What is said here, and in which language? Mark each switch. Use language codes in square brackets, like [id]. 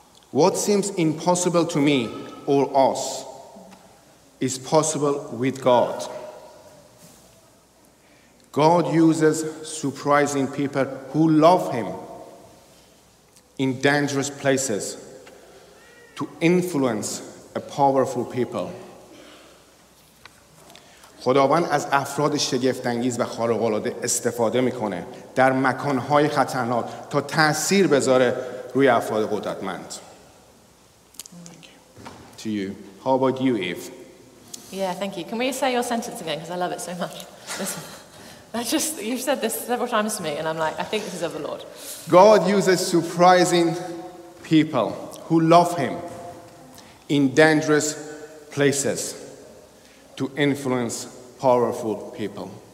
[en] What seems impossible to me or us is possible with God. God uses surprising people who love him in dangerous places to influence a powerful people. [fa] خداوند از افراد شگفت‌انگیز و خارق‌العاده استفاده می‌کنه در مکان‌های خطرناک تا تأثیر بذاره روی افراد قدرتمند. [en] To you. How about you, Eve? Yeah, thank you. Can we say your sentence again? Because I love it so much. Listen, you've said this several times to me, and I'm like, I think this is of the Lord. God uses surprising people who love him in dangerous places to influence powerful people.